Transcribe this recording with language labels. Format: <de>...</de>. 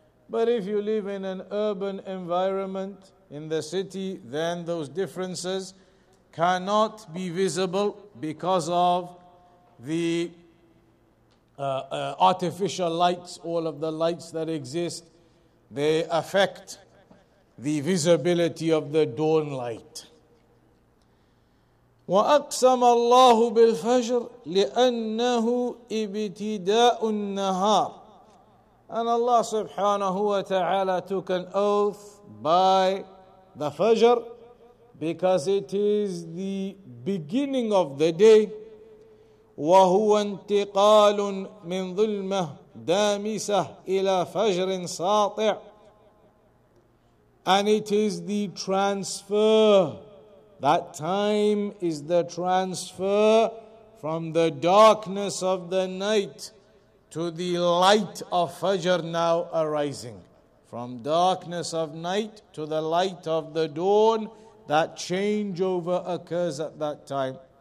<en>But if you live in an urban environment in the city, then those differences cannot be visible because of the artificial lights. All of the lights that exist, they affect the visibility of the dawn light.</en> <ar>وأقسم الله بالفجر لأنه ابتداء النهار.</ar> <en>And Allah subhanahu wa ta'ala took an oath by the Fajr because it is the beginning of the day.</en> <ar>وهو انتقال من ظلمة دامسة إلى فجر ساطع.</ar> <en>And it is the transfer. That time is the transfer from the darkness of the night to the light of Fajr now arising. From darkness of night to the light of the dawn, that changeover occurs at that time.</en>